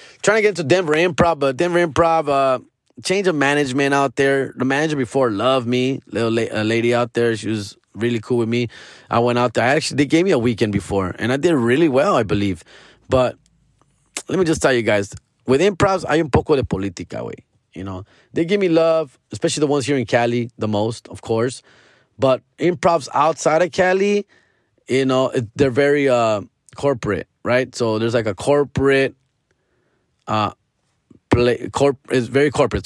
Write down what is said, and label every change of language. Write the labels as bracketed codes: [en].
[en] Trying to get into Denver Improv. But Denver Improv, change of management out there. The manager before loved me. Little lady out there. She was really cool with me. I went out there. They gave me a weekend before. And I did really well, I believe. But let me just tell you guys. [es] With Improvs, hay un poco de política, güey. [en] You know, they give me love. Especially the ones here in Cali the most, of course. But Improvs outside of Cali, you know, they're very corporate, right? So there's like a corporate, it's very corporate.